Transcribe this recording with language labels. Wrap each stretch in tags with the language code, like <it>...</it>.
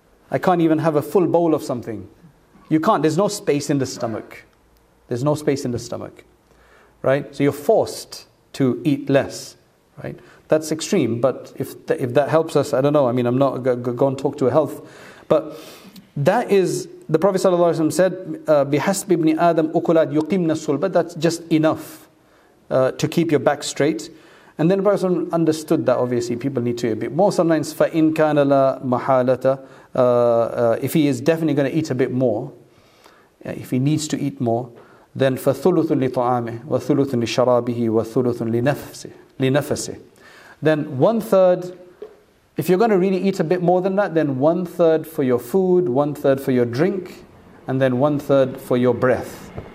<en>I can't even have a full bowl of something. You can't. There's no space in the stomach. There's no space in the stomach. Right? So you're forced to eat less. Right? That's extreme. But if that helps us, I don't know. I mean, I'm not going to talk to a health. But that is, the Prophet ﷺ said,</en> <ar>بِحَسْبِ ابْنِ آدَمْ أُكُلَاتْ يُقِمْنَ الصُّلْبَ.</ar> <en>That's just enough to keep your back straight. And then the Prophet ﷺ understood that obviously people need to eat a bit more. Sometimes,</en> <ar>فَإِنْ كَانَ لَا مَحَالَةَ.</ar> <en>If he is definitely going to eat a bit more, if he needs to eat more, then</en> <ar>فَثُلُثٌ لِطَعَامِهِ وَثُلُثٌ لِشَرَابِهِ وَثُلُثٌ لِنَفَسِهِ.</ar> <en>Then one third, if you're going to really eat a bit more than that, then one third for your food, one third for your drink, and then one third for your breath.</en>